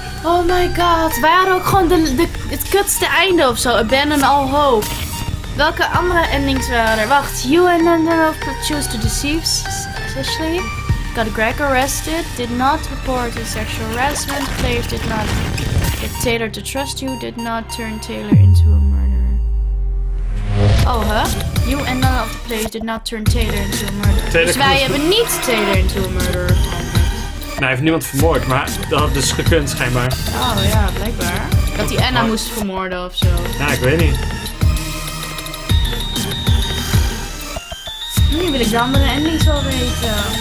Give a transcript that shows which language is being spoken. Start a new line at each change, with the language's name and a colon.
Dutch: Oh my god, wij hadden ook gewoon het kutste einde ofzo.
English: Abandon all hope.
Dutch: Welke andere endings waren er?
English: Wacht, you and Nandanov could choose to deceive Sashley. Got Greg arrested. Did not report his sexual harassment. Players did not get Taylor to trust you. Did not turn Taylor into a murderer. Oh, huh? You and Nandanov the players did not turn Taylor into a murderer. Taylor
Dutch: dus wij hebben niet Taylor
English: into a murderer.
Dutch: Nee, hij heeft niemand vermoord, maar dat had dus gekund, schijnbaar. Oh ja, blijkbaar. Dat hij Anna moest vermoorden of zo. Ja, ik weet niet. Nu wil ik de andere endings wel weten.